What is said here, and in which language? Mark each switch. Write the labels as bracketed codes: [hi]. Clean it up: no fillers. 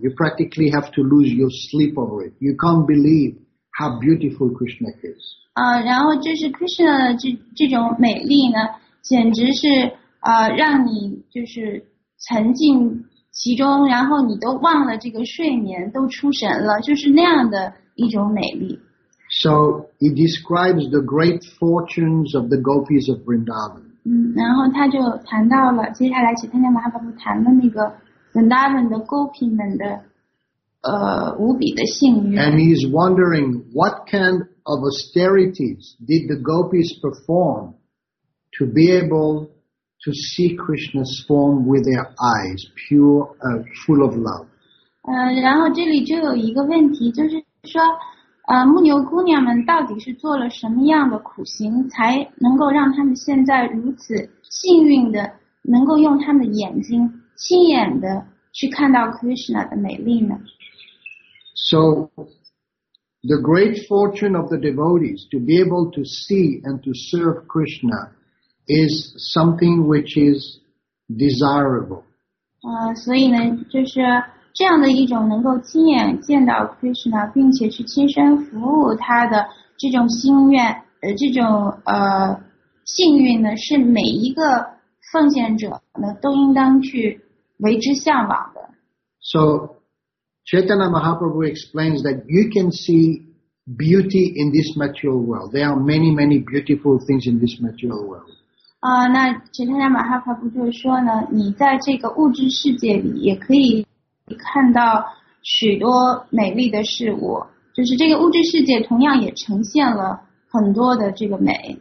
[en] You practically have to lose your sleep over it. You can't believe how beautiful Krishna is. [zh] 然后就是 Krishna 的这种美丽呢，简直是让你就是沉浸其中，然后你都忘了这个睡眠，都出神了，就是那样的一种美丽。 [en] So he describes the great fortunes of the gopis of Vrindavan. [zh] 然后他就谈到了接下来其他的马哈巴布谈了那个 Vrindavan 的 gopi 们的无比的幸运。 [en] And he is wondering what kind of austerities did the gopis perform to be able to see Krishna's form with their eyes, pure, full of love. [zh] 然后这里就有一个问题，就是说牧牛姑娘们到底是做了什么样的苦行，才能够让她们现在如此幸运的能够用她们的眼睛亲眼的去看到 Krishna 的美丽呢？ [en] So the great fortune of the devotees to be able to see and to serve Krishna is something which is desirable. [zh] 所以呢就是这样的一种能够亲眼见到 Krishna 并且去亲身服务他的这种心愿，这种幸运呢，是每一个奉献者呢都应当去为之向往的。 [en] So, Chaitanya Mahaprabhu explains that you can see beauty in this material world. There are many, many beautiful things in this material world. [zh] 那 Chaitanya Mahaprabhu 就说呢，你在这个物质世界里也可以看到许多美丽的事物，就是这个物质世界同样也呈现了很多的这个美。